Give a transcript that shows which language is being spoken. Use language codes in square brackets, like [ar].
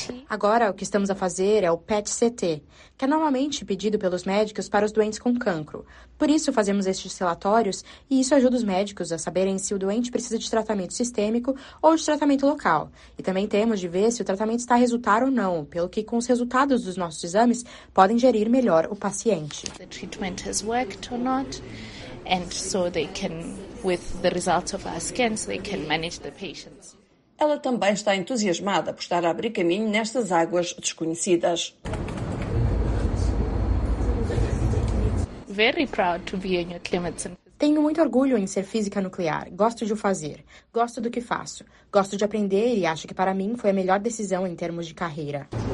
[pt] Agora, o que estamos a fazer é o PET-CT, que é normalmente pedido pelos médicos para os doentes com cancro. Por isso, fazemos estes relatórios e isso ajuda os médicos a saberem se o doente precisa de tratamento sistêmico ou de tratamento local. E também temos de ver se o tratamento está a resultar ou não, pelo que, com os resultados dos nossos exames, podem gerir melhor o paciente. [en] The treatment has worked or not. And so they can, with the results of our scans, they can manage the patients. [pt] Ela também está entusiasmada por estar a abrir caminho nestas águas desconhecidas. [en] Very proud to be a nuclear medicine. [pt] Tenho muito orgulho em ser física nuclear. Gosto de o fazer. Gosto do que faço. Gosto de aprender e acho que para mim foi a melhor decisão em termos de carreira.